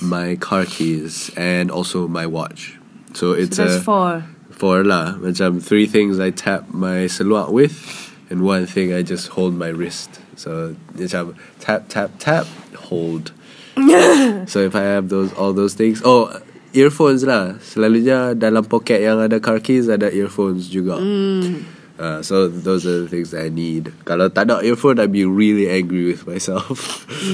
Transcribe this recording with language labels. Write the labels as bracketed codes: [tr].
[en] my car keys, and also my watch. So it's four lah. Macam 3 things I tap my seluar with, and 1 thing I just hold my wrist. So macam tap, hold. So if I have all those things, earphones lah. [ms] Selalunya dalam poket yang ada car keys ada earphones juga. [en] So those are the things that I need. [ms] Kalau tak ada earphone, [en] I'd be really angry with myself.